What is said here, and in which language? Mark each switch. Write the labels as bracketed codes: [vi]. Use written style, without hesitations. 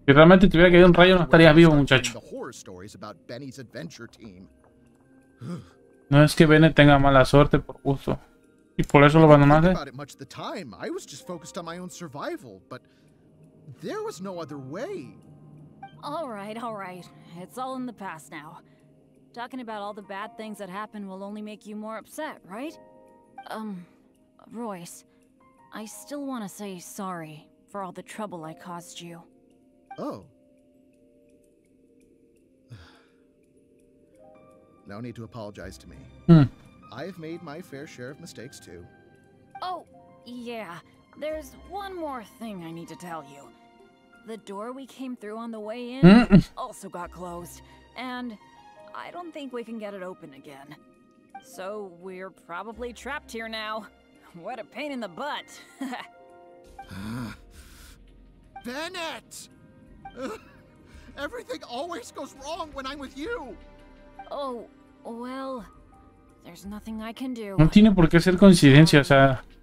[es] Si realmente tuviera que ir un rayo, no estaría vivo, muchacho. [en] The horror stories about Benny's adventure team. [es] No es que Benny tenga mala suerte por gusto. Y por eso lo abandonaste. [en] I didn't think about it much at the time. I was just focused on my own survival, but there was no other way. Alright, alright. It's all in the past now. Talking about all the bad things that happened will only make you more upset, right? Royce, I still want to say sorry for all the trouble I caused you. Oh. No need to apologize to me. Hmm. I've made my fair share of mistakes, too. Oh, yeah. There's one more thing I need to tell you. The door we came through on the way in also got closed, and I don't think we can get it open again. So we're probably trapped here now. What a pain in the butt. Bennett! Everything always goes wrong when I'm with you. Oh, well, there's nothing I can do. [es] No tiene por qué ser coincidencia, o sea.